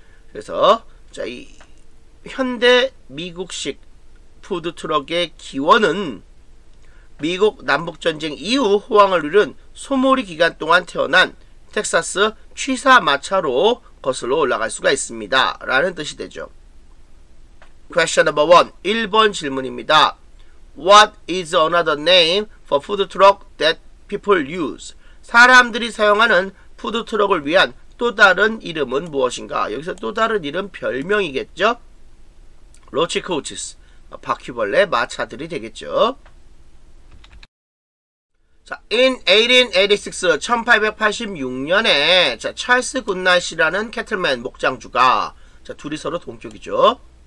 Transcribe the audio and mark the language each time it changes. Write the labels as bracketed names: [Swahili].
[Korean] 그래서 자, 이 현대 미국식 푸드트럭의 기원은 미국 남북전쟁 이후 호황을 이룬 소몰이 기간 동안 태어난 텍사스 취사 마차로 거슬러 올라갈 수가 있습니다. 라는 뜻이 되죠. [English] Question number 1. [Korean] 1번 질문입니다. [English] What is another name for food truck that people use? [Korean] 사람들이 사용하는 푸드 트럭을 위한 또 다른 이름은 무엇인가? 여기서 또 다른 이름 별명이겠죠? [English] Roach coaches. [Korean] 바퀴벌레 마차들이 되겠죠. 자, [English] in 1886, [Korean] 1886년에 자, 찰스 굿나잇이라는 캐틀맨 목장주가 자, 둘이 서로 동족이죠.